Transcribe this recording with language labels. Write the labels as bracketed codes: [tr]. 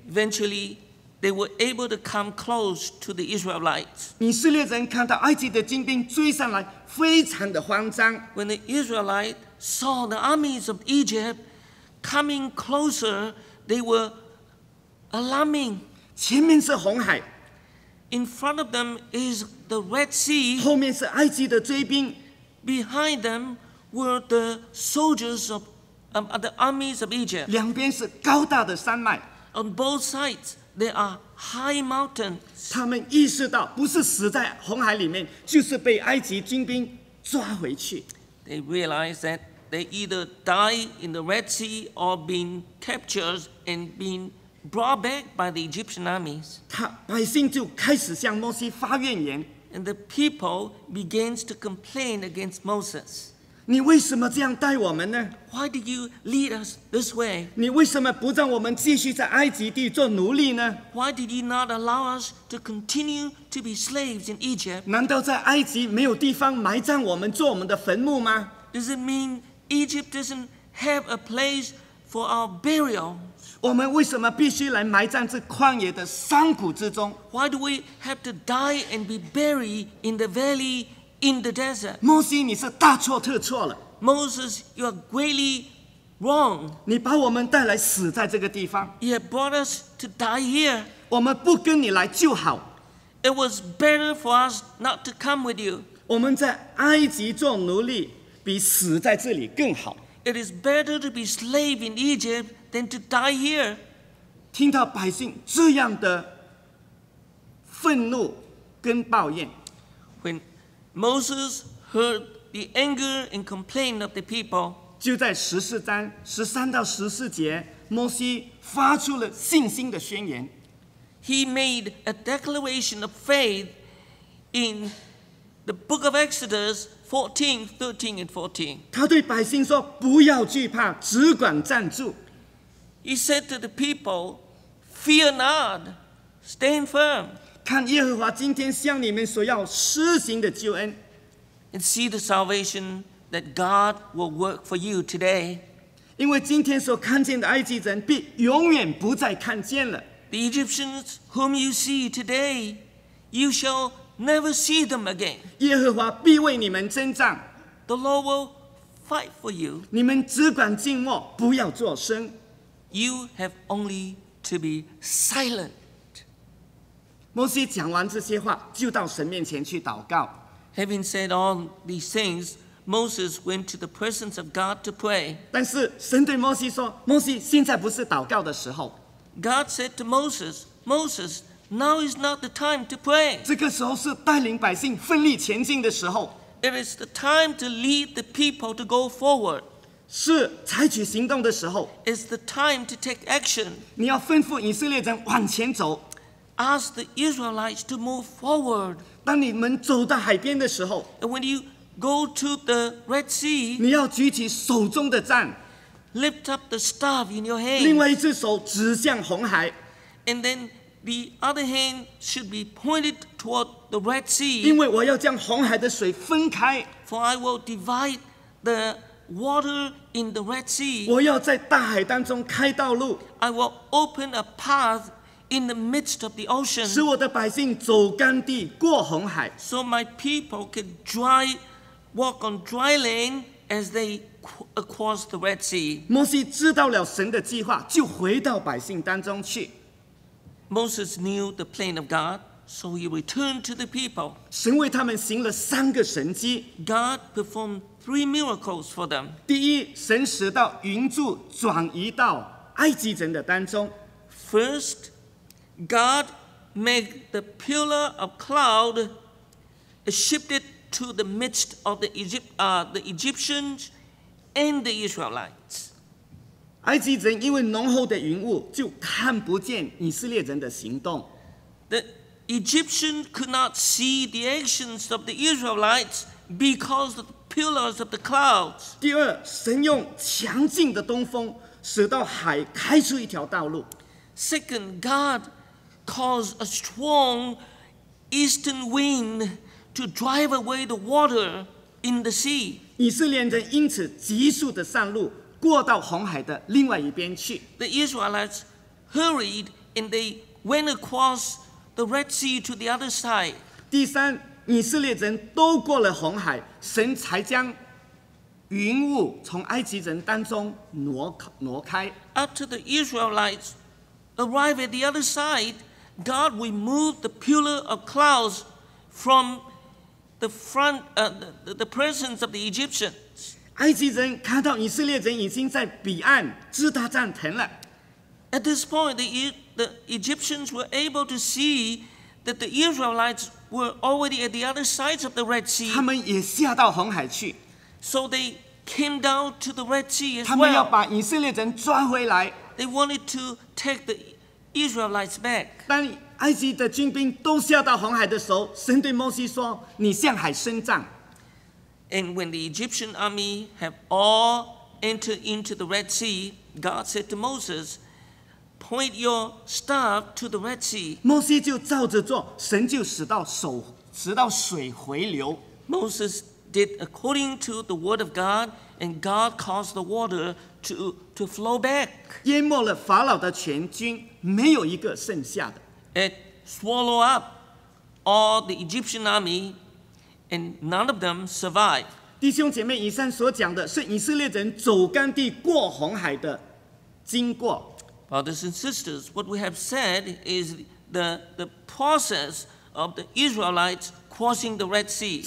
[en] Eventually, they were able to come close to the Israelites. [zh] 以色列人看到埃及的军兵追上来，非常的慌张。 [en] When the Israelites saw the armies of Egypt coming closer, they were alarming. [zh] 前面是红海。 [en] In front of them is the Red Sea. [zh] 后面是埃及的追兵。 [en] Behind them were the soldiers of the armies of Egypt. [zh] 两边是高大的山脉。 [en] On both sides there are high mountains. [zh] 他们意识到不是死在红海里面，就是被埃及军兵抓回去。 [en] They realized that they either die in the Red Sea or being captured and being brought back by the Egyptian armies. [zh] 百姓就开始向摩西发怨言。 [en] And the people begins to complain against Moses. [zh] 你为什么这样带我们呢？ [en] Why did you lead us this way? [zh] 你为什么不让我们继续在埃及地做奴隶呢？ [en] Why did you not allow us to continue to be slaves in Egypt? [zh] 难道在埃及没有地方埋葬我们做我们的坟墓吗？ [en] Does it mean Egypt doesn't have a place for our burial? [zh] 我们为什么必须来埋葬在旷野的山谷之中？ [en] Why do we have to die and be buried in the valley in the desert? [zh] 摩西，你是大错特错了。 [en] Moses, you are greatly wrong. [zh] 你把我们带来死在这个地方。 [en] You have brought us to die here. [zh] 我们不跟你来就好。 [en] It was better for us not to come with you. [zh] 我们在埃及做奴隶比死在这里更好。 [en] It is better to be slave in Egypt than to die here. [zh] 听到百姓这样的愤怒跟抱怨。 [en] When Moses heard the anger and complaint of the people, [zh] 就在十四章十三到十四节，摩西发出了信心的宣言。 [en] He made a declaration of faith in the book of Exodus 14:13-14. [zh] 他对百姓说，不要惧怕，只管站住。 [en] He said to the people, "Fear not, stand firm." [zh] 看耶和华今天向你们所要施行的救恩。 [en] And see the salvation that God will work for you today. [zh] 因为今天所看见的埃及人，必永远不再看见了。 [en] The Egyptians whom you see today, you shall never see them again. [zh] 耶和华必为你们征战。 [en] The Lord will fight for you. [zh] 你们只管静默，不要作声。 [en] You have only to be silent. [zh] 摩西讲完这些话，就到神面前去祷告。 [en] Having said all these things, Moses went to the presence of God to pray. [zh] 但是神对摩西说，摩西，现在不是祷告的时候。 [en] God said to Moses, Moses, now is not the time to pray. [zh] 这个时候是带领百姓奋力前进的时候。 [en] It is the time to lead the people to go forward. [zh] 是采取行动的时候。 [en] It's the time to take action. [zh] 你要吩咐以色列人往前走。 [en] Ask the Israelites to move forward. [zh] 当你们走到海边的时候。 [en] And when you go to the Red Sea. [zh] 你要举起手中的杖。 [en] Lift up the staff in your hand. [zh] 另外一只手指向红海。 [en] And then the other hand should be pointed toward the Red Sea. [zh] 因为我要将红海的水分开。 [en] For I will divide the water in the Red Sea. [zh] 我要在大海当中开道路。 [en] I will open a path in the midst of the ocean. [zh] 使我的百姓走干地过红海。 [en] So my people can dry, walk on dry land as they across the Red Sea. [zh] 摩西知道了神的计划，就回到百姓当中去。 [en] Moses knew the plan of God, so he returned to the people. [zh] 神为他们行了三个神迹。 [en] God performed three miracles for them. [zh] 第一，神使到云柱转移到埃及人的当中。 [en] First, God make the pillar of cloud shifted to the midst of the Egyptians and the Israelites. [zh] 埃及人因为浓厚的云雾，就看不见以色列人的行动。 [en] The Egyptians could not see the actions of the Israelites because of the pillars of the clouds. [zh] 第二，神用强劲的东风，使到海开出一条道路。 [en] Second, God caused a strong eastern wind to drive away the water in the sea. [zh] 以色列人因此急速地上路，过到红海的另外一边去。 [en] The Israelites hurried and they went across the Red Sea to the other side. [zh] 第三，以色列人都过了红海，神才将云雾从埃及人当中挪开。 [en] After the Israelites arrived at the other side, God removed the pillar of clouds from the front, the presence of the Egyptians. [zh] 埃及人看到以色列人已经在彼岸支搭帐篷了。 [en] At this point, the Egyptians were able to see that the Israelites were already at the other sides of the Red Sea. [zh] 他们也下到红海去。 [en] So they came down to the Red Sea as well. [zh] 他们要把以色列人抓回来。 [en] They wanted to take the Israelites back. [zh] 当埃及的军兵都下到红海的时候，神对摩西说：“你向海伸杖。” [en] And when the Egyptian army have all entered into the Red Sea, God said to Moses, "Point your staff to the Red Sea." [zh] 摩西就照着做，神就使到水回流。 [en] Moses did according to the word of God, and God caused the water to flow back. [zh] 淹没了法老的全军，没有一个剩下的。 [en] It swallowed up all the Egyptian army, and none of them survived. [zh] 弟兄姐妹，以上所讲的是以色列人走干地过红海的经过。 [en] Brothers and sisters, what we have said is the process of the Israelites crossing the Red Sea.